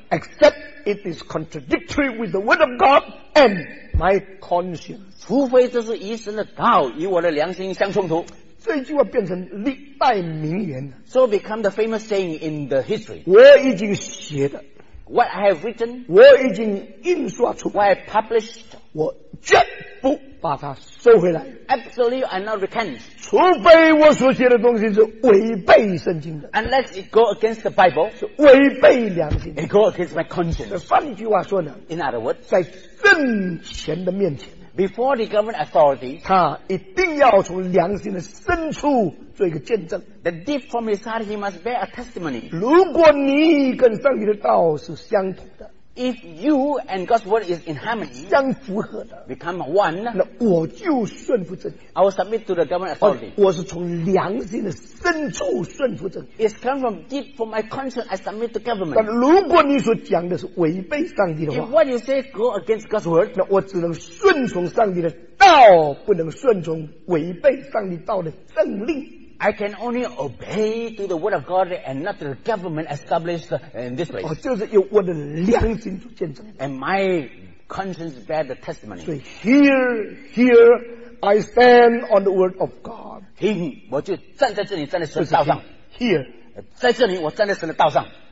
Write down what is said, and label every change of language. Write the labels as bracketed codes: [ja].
[en] Except it is contradictory with the word of God and my conscience. [zh] 除非这是与神的道与我的良心相冲突。这句话变成历代名言。 [en] So become the famous saying in the history. [zh] 我已经写的。 [en] What I have written. [zh] 我已经印刷出。 [en] What I published. [zh] 我绝不。把它收回来。 [en] Absolutely, I not recant. [zh] 除非我所写的东西是违背圣经的。 [en] Unless it go against the Bible, [zh] 是违背良心。 [en] It go against my conscience. [zh] 换句话说呢 [en] ？In other words, [zh] 在政权的面前 [en] ，before the government authority, [zh] 他一定要从良心的深处做一个见证。 [en] The deep from his heart, he must bear a testimony. [zh] 如果你跟上帝的道是相同的。 [en] If you and God's word is in harmony, [zh] 相符合的 [en] become one, [zh] 那我就顺服真理。 [en] I will submit to the government authority. [zh] 我是从良心的深处顺服真理。 [en] It's come from deep from my conscience. I submit to government. [zh] 但如果你所讲的是违背上帝的话 [en] ，If what you say go against God's word, [zh] 那我只能顺从上帝的道，不能顺从违背上帝道的政令。 [en] I can only obey to the word of God and not to the government established in this place. [zh] 就是由我的良心所见证。 [en] And my conscience bear the testimony. So here, I stand on the word of God. [zh] 我就站在这里，站在神的道上。 [en] Here, [zh] 在这里，我站在神的道上。